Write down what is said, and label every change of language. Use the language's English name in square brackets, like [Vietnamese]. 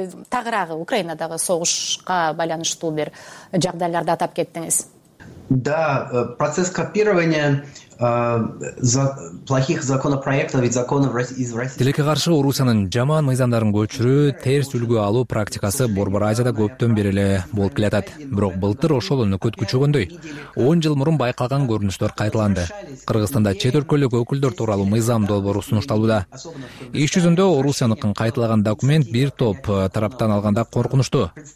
[Kyrgyz] Тагыраагы Украинадагы согушка байланыштуу бир жагдайларды атап кеттиңиз. [Russian] Да, процесс копирования плохих законопроектов и законов из России. [Kyrgyz] Тилекке каршы Орусиянын жаман мыйзамдарын көчүрүү, терс үлгү алуу практикасы Борбор Азияда көптөн бери эле болуп келатат. Бирок былтыр ошол өнөкөт күчөгөндөй, 10 жыл мурун байкалган көрүнүштөр кайталанды. Кыргызстанда чет өлкөлүк өкүлдөр тууралуу мыйзам долбоору сунушталууда. Иш жүзүндө Орусиянын кайталаган документ бир топ тараптан алганда коркунучтуу.